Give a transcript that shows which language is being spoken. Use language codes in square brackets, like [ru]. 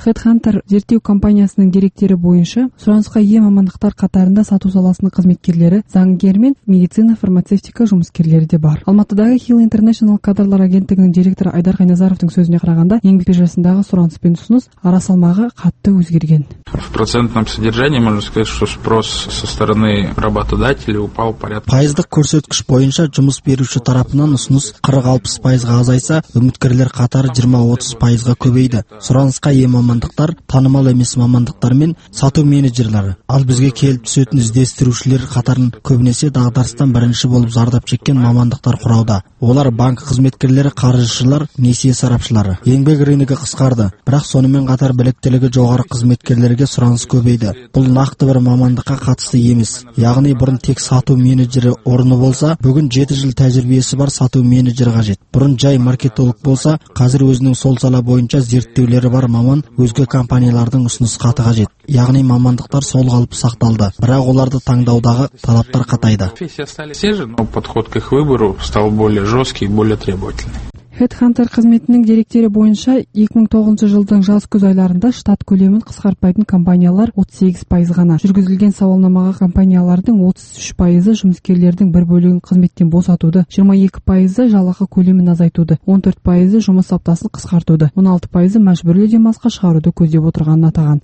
[kk] Хедхантер зерттеу компаниясының деректері бойынша сұранысқа ие мамандықтар қатарында сату саласының қызметкерлері, заңгер мен медицина, фармацевтика жұмыскерлері де бар. Алматыдағы Hill International кадрлар агенттігінің директоры Айдар Қайназаровтың сөзіне қарағанда, еңбек биржасындағы сұраныс пен ұсыныс арасалмағы қатты өзгерген. [ru] В процентном содержании можно сказать, что спрос со стороны работодателей упал порядка. [kk] Пайыздық көрсеткіш бойынша жұмыс беруші тарапынан ұсыныс 40-60% азайса, үміткерлер қатары 20-30% көбейді. Сұранысқа ие мамандықтар, танымал емес мамандықтар мен сату менеджерлері. Ал бізге келіп түсетін іздестірушілер қатарын көбінесе дағдарыстан бірінші болып зардап шеккен мамандықтар құрауда. Олар банк қызметкерлері, қаржышылар, несие сарапшылары. Еңбек рыногы қысқарды, бірақ сонымен қатар біліктілігі жоғары қызметкерлерге сұраныс көбейді. Бұл нақты бір мамандыққа қатысты емес. Яғни бұрын тек сату менеджері орны болса, бүгін 7 жыл тәжірибесі бар сату менеджері қажет. Бұрын жай маркетолог болса, қазір өзінің сол сала бойынша зерттеулері бар маман өзге компаниялардың ұсыныс қаты қажет. Яғни мамандықтар сол қалып сақталды, бірақ оларды таңдаудағы талаптар қатайды. [ru] Подход к их выбору стал более жесткий и более требовательный. [kk] Хедхантер қызметінің деректері бойынша 2009 жылдың жаз күз айларында штат көлемін қысқартпайтын компаниялар 38% ғана. Жүргізілген сауалнамаға компаниялардың 33% жұмыскерлердің бір бөлігін қызметтен босатуды, 22% жалақы көлемін азайтуды, 14% жұмыс саптасын қысқартуды, 16% мәжбүрлі демалысқа шығаруды көздеп отырғанын атаған.